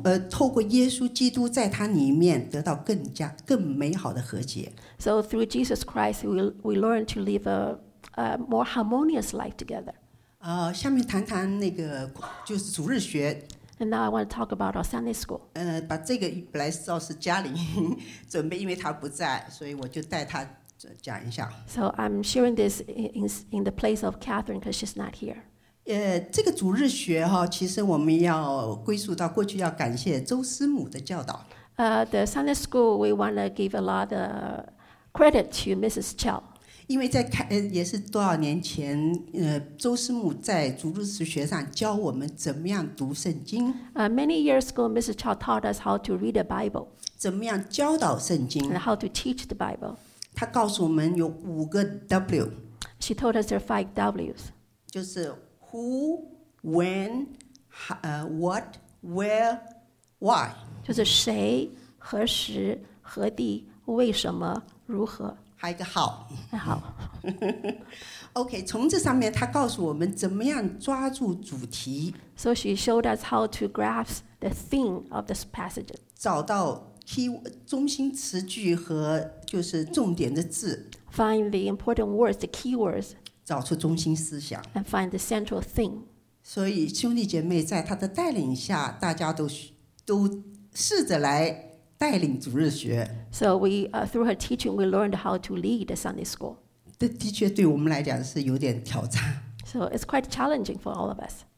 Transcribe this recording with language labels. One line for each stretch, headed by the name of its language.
Chinese: 透过耶稣基督在他里面得到更美好的和解。
English: So through Jesus Christ, we learn to live a more harmonious life together.
Chinese: 下面谈谈那个就是主日学。
English: And now I want to talk about our Sunday school.
Chinese: 把这个本来知道是嘉玲准备，因为她不在，所以我就带她讲一下。
English: So I'm sharing this in the place of Catherine because she's not here.
Chinese: 这个主日学其实我们要归属到过去要感谢周师母的教导。
English: The Sunday school, we want to give a lot of credit to Mrs. Chow.
Chinese: 因为在也是多少年前周师母在主日学上教我们怎么样读圣经。
English: Many years ago, Mrs. Chow taught us how to read the Bible.
Chinese: 怎么样教导圣经。
English: And how to teach the Bible.
Chinese: 她告诉我们有五个 W.
English: She told us there are five W's.
Chinese: 就是
English: Who, when, what, where, why?
Chinese: 就是谁、何时、何地、为什么、如何。还有一个 how.
English: How.
Chinese: OK, 从这上面他告诉我们怎么样抓住主题。
English: So she showed us how to grasp the theme of this passage.
Chinese: 找到 key, 中心词句和就是重点的字。
English: Find the important words, the key words.
Chinese: 找出中心思想
English: and find the central thing.
Chinese: 所以兄弟姐妹在他的带领下，大家都试着来带领主日学。
English: So we through her teaching, we learned how to lead the Sunday school.
Chinese: 的确，对我们来讲是有点挑战。
English: So it's quite challenging for all of us.